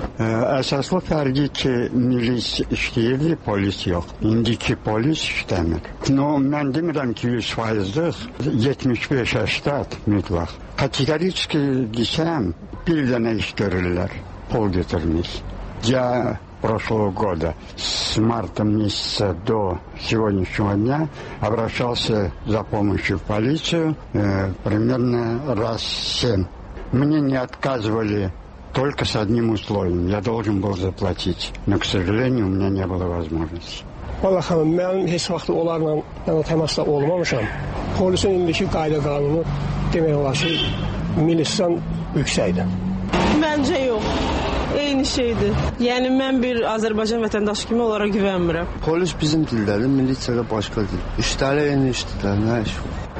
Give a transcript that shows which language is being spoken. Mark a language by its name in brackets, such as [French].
[Azerbaijani] Əsaslı fərqi ki, milis işləyirdi, polis yox. İndiki polis işləmir. No, mən demirəm ki, 100%-dır, 75-80 mütləq. Kateqoriki desəm, bir dənə iş görürlər, pul götürmək. [Russian] Ya прошлого года, с марта месяца до сегодняшнего дня, обращался за помощью в полицию примерно раз в 7. Мне не отказывали только с одним условием. Я должен был заплатить, но, к сожалению, у меня не было возможности. [Azerbaijani] Vallahi xanım, mənim heç vaxtı onlarla təmasda olmamışam. Polisin indiki qayda qanunu demək olar ki, milisdən yüksəkdir. Məncə yox. Eyni şeydir. Yəni, mən bir Azərbaycan vətəndaşı kimi onlara güvənmirəm. Polis bizim dildədir, milisiya da başqa dil. Üstəli eyni işdirlər, nə iş var?